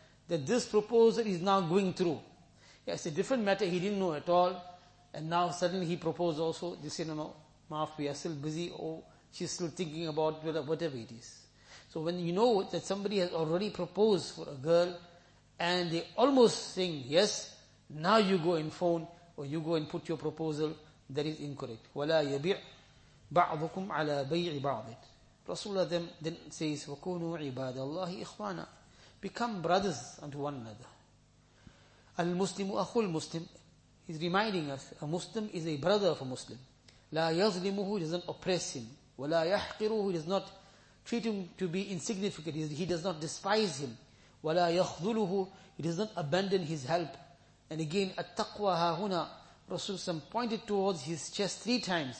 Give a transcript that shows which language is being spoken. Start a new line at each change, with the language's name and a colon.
English: that this proposal is now going through. Yeah, it's a different matter, he didn't know at all, and now suddenly he proposed also, they say, no, Maaf, we are still busy, or she's still thinking about whatever it is. So when you know that somebody has already proposed for a girl, and they almost saying yes, now you go and phone, or you go and put your proposal, that is incorrect.
Arabic: وَلَا يَبِعْ بَعْضُكُمْ عَلَىٰ بَيْعِ بَعْضٍ
English: Rasulullah then says,
Arabic: وَكُونُوا عِبَادَ اللَّهِ إِخْوَانًا
English: Become brothers unto one another.
Arabic: المسلم أخو المسلم.
English: He's reminding us, a Muslim is a brother of a Muslim.
Arabic: لا يظلمه,
English: he doesn't oppress him.
Arabic: ولا يحقره,
English: he does not treat him to be insignificant. He does not despise him.
Arabic: ولا يخذله,
English: he does not abandon his help. And again,
Arabic: التقوى هاهنا.
English: Rasulullah pointed towards his chest three times.